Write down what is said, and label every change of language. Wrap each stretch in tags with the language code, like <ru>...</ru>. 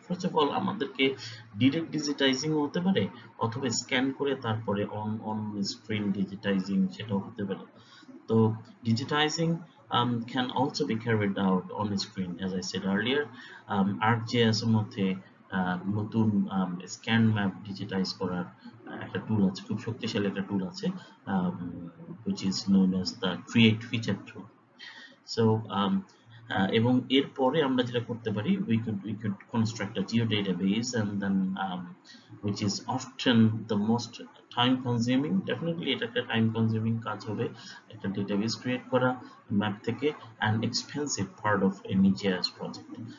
<bn>First of all, আমাদেরকে direct digitizing হতে পারে, অথবা scan করে তারপরে on screen digitizing সেটাও হতে পারে।</bn> <en>তো digitizing can also be carried out on screen, as I said earlier.</en> <bn>ArcGIS এর মধ্যে নতুন scan map digitize করার একটা টুল আছে, খুব শক্তিশালী একটা টুল আছে,</bn> <en>which is known as the create feature tool. So</en> <bn>এবং এরপরে আমরা যেটা করতে পারি,</bn> <en>we could construct geo database, and then which is often the most time consuming,</en> <bn>definitely এটা একটা টাইম কনজিউমিং কাজ হবে, একটা ডেটাবেস ক্রিয়েট করা ম্যাপ থেকে,</bn> <en>And expensive part of any GIS project.</en>